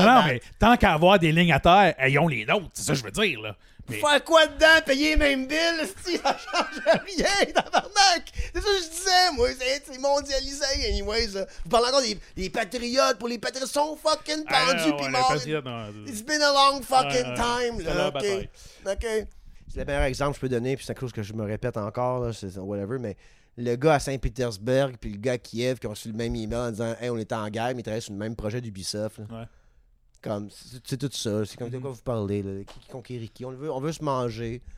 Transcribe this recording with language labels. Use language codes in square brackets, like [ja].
[fr] Non, mais tant qu'à avoir des lignes à terre, ayons les nôtres, c'est ça que je veux dire, là. Mais... Faire quoi dedans? Payer les mêmes billes, ça change rien, tabarnak! C'est ça que je disais, moi, c'est mondialisé, anyways. Là. Vous parlez encore des patriotes, pour les patriotes, sont fucking pendus, puis morts. [en] It's been a long fucking time, là, OK? OK? [fr] C'est le meilleur exemple que je peux donner, puis c'est quelque chose que je me répète encore, là, c'est whatever, mais le gars à Saint-Pétersbourg, puis le gars à Kiev qui ont reçu le même email en disant hey, on était en guerre, mais ils travaillent sur le même projet d'Ubisoft. Ouais. Comme, c'est tout ça, c'est comme de quoi vous parlez, là, qui conquérit qui. On veut se manger,